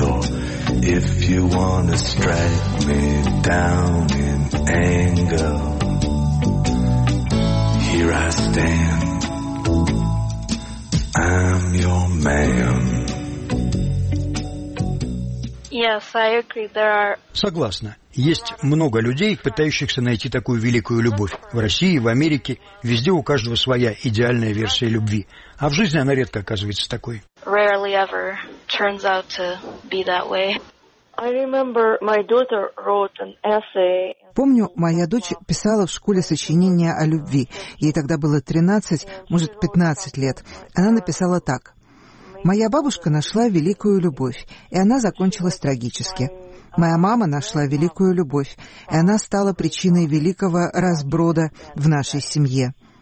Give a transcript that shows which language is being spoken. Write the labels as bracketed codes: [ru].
[en] Or if you want to strike me down in anger, here I stand, I'm your man. Yes, I agree. There are... [ru] Согласна. Есть много людей, пытающихся найти такую великую любовь. В России, в Америке, везде у каждого своя идеальная версия любви. А в жизни она редко оказывается такой. [en] Rarely ever turns out to be that way. I remember my daughter wrote an essay. [ru] Помню, моя дочь писала в школе сочинение о любви. Ей тогда было 13, может, 15 лет. Она написала так. «Моя бабушка нашла великую любовь, и она закончилась трагически. Моя мама нашла великую любовь, и она стала причиной великого разброда в нашей семье.